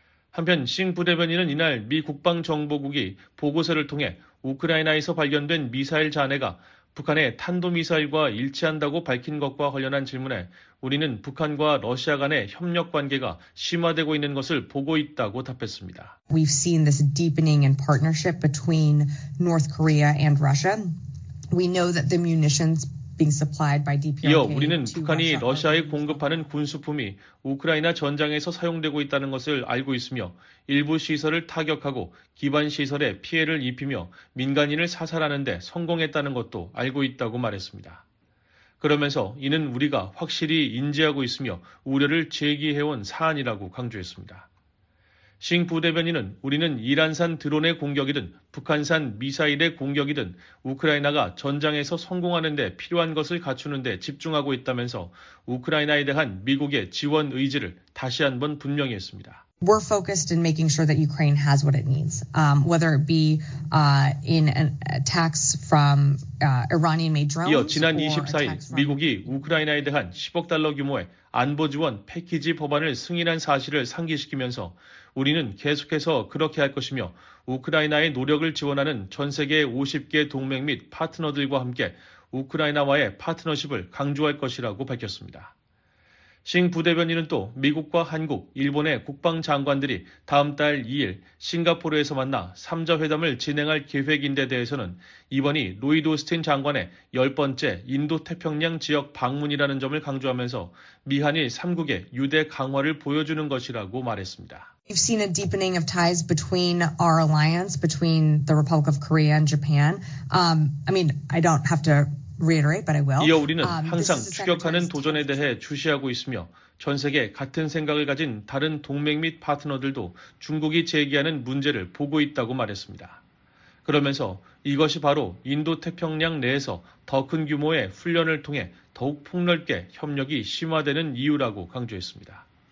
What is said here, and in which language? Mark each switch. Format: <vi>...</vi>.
<ko>한편 싱 부대변인은 이날 미 국방정보국이 보고서를 통해 우크라이나에서 발견된 미사일 잔해가 북한의 탄도미사일과 일치한다고 밝힌 것과 관련한 질문에 우리는 북한과 러시아 간의 협력 관계가 심화되고 있는 것을 보고 있다고 답했습니다.</ko> <en>We've seen this deepening in partnership between North Korea and Russia. We know that the munitions being supplied by DPRK.</en> <ko>이어 우리는 북한이 러시아에 공급하는 군수품이 우크라이나 전장에서 사용되고 있다는 것을 알고 있으며 일부 시설을 타격하고 기반 시설에 피해를 입히며 민간인을 사살하는 데 성공했다는 것도 알고 있다고 말했습니다. 그러면서 이는 우리가 확실히 인지하고 있으며 우려를 제기해온 사안이라고 강조했습니다. 싱 부대변인은 우리는 이란산 드론의 공격이든 북한산 미사일의 공격이든 우크라이나가 전장에서 성공하는 데 필요한 것을 갖추는 데 집중하고 있다면서 우크라이나에 대한 미국의 지원 의지를 다시 한번 분명히 했습니다.</ko> <en>We're focused in making sure that Ukraine has what it needs, whether it be in attacks from Iranian-made drones.</en> <ko>이어 지난 24일 미국이 우크라이나에 대한 10억 달러 규모의 안보 지원 패키지 법안을 승인한 사실을 상기시키면서 우리는 계속해서 그렇게 할 것이며 우크라이나의 노력을 지원하는 전 세계 50개 동맹 및 파트너들과 함께 우크라이나와의 파트너십을 강조할 것이라고 밝혔습니다. 싱 부대변인은 또 미국과 한국, 일본의 국방장관들이 다음 달 2일 싱가포르에서 만나 3자 회담을 진행할 계획인데 대해서는 이번이 로이드 오스틴 장관의 10번째 인도태평양 지역 방문이라는 점을 강조하면서 미한일 3국의 유대 강화를 보여주는 것이라고 말했습니다.</ko> <en>We've seen a deepening of ties between our alliance, between the Republic of Korea and Japan. I mean, I don't have to reiterate, but I will.</en> <ko>이어 우리는 항상 추격하는 도전에 대해 주시하고 있으며 전 세계 같은 생각을 가진 다른 동맹 및 파트너들도 중국이 제기하는 문제를 보고 있다고 말했습니다. 그러면서 이것이 바로 인도태평양 내에서 더 큰 규모의 훈련을 통해 더욱 폭넓게 협력이 심화되는 이유라고 강조했습니다.</ko>